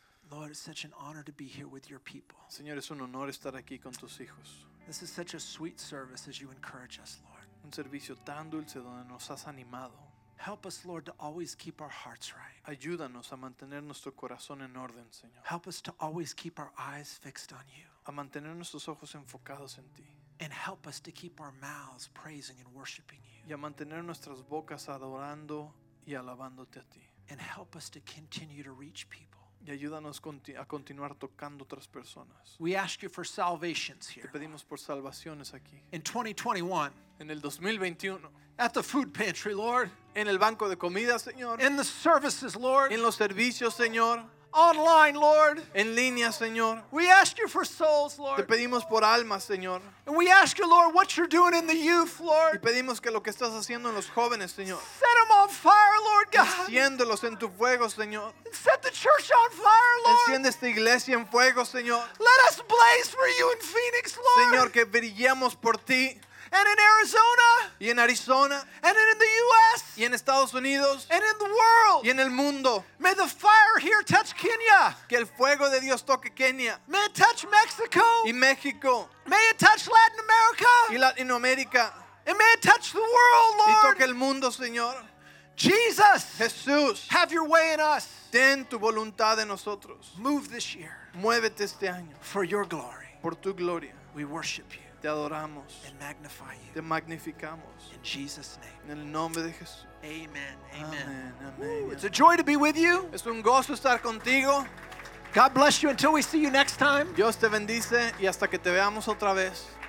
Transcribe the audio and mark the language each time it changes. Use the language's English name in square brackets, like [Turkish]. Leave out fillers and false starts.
[English] Lord, it's such an honor to be here with your people. [Spanish] Señor, es un honor estar aquí con tus hijos. [English] This is such a sweet service as you encourage us, Lord. [Spanish] Un servicio tan dulce donde nos has animado. [English] Help us, Lord, to always keep our hearts right. [Spanish] Ayúdanos a mantener nuestro corazón en orden, Señor. [English] Help us to always keep our eyes fixed on you. [Spanish] A mantener nuestros ojos enfocados en ti. [English] And help us to keep our mouths praising and worshiping you. [Spanish] Y a mantener nuestras bocas adorando y alabándote a ti. [English] And help us to continue to reach people. [Spanish] Y ayúdanos a continuar tocando otras personas. [English] We ask you for salvations here. [Spanish] Te pedimos por salvaciones aquí. [English] In 2021. [Spanish] En el 2021. [English] At the food pantry, Lord. [Spanish] En el banco de comida, Señor. [English] In the services, Lord. [Spanish] En los servicios, Señor. [English] Online, Lord. [Spanish] En línea, Señor. [English] We ask you for souls, Lord. [Spanish] Te pedimos por almas, Señor. [English] And we ask you, Lord, what you're doing in the youth, Lord. [Spanish] Y pedimos que lo que estás haciendo en los jóvenes, Señor. [English] Set them on fire, Lord God. [Spanish] Enciéndelos en tu fuego, Señor. [English] And set the church on fire, Lord. [Spanish] Enciende esta iglesia en fuego, Señor. [English] Let us blaze for you in Phoenix, Lord. [Spanish] Señor, que brillemos por ti. [English] And in Arizona. [Spanish] Y en Arizona. [English] And in the U.S. [Spanish] Y en Estados Unidos. [English] And in the world. [Spanish] Y en el mundo. [English] May the fire here touch Kenya. [Spanish] Que el fuego de Dios toque Kenia. [English] May it touch Mexico. [Spanish] Y México. [English] May it touch Latin America. [Spanish] Y Latinoamérica. [English] And may it touch the world, Lord. [Spanish] Y toque el mundo, Señor. [English] Jesus. [Spanish] Jesús. [English] Have your way in us. [Spanish] Ten tu voluntad en nosotros. [English] Move this year. [Spanish] Muévete este año. [English] For your glory. [Spanish] Por tu gloria. [English] We worship you. [Spanish] Te adoramos. [English] And magnify you. [Spanish] Te magnificamos. [English] In Jesus' name. [Spanish] En el nombre de Jesús. [English] Amen. Amen. [Spanish] Amen. Amen. [English] It's a joy to be with you. [Spanish] Es un gozo estar contigo. [English] God bless you until we see you next time. [Spanish] Dios te bendice y hasta que te veamos otra vez.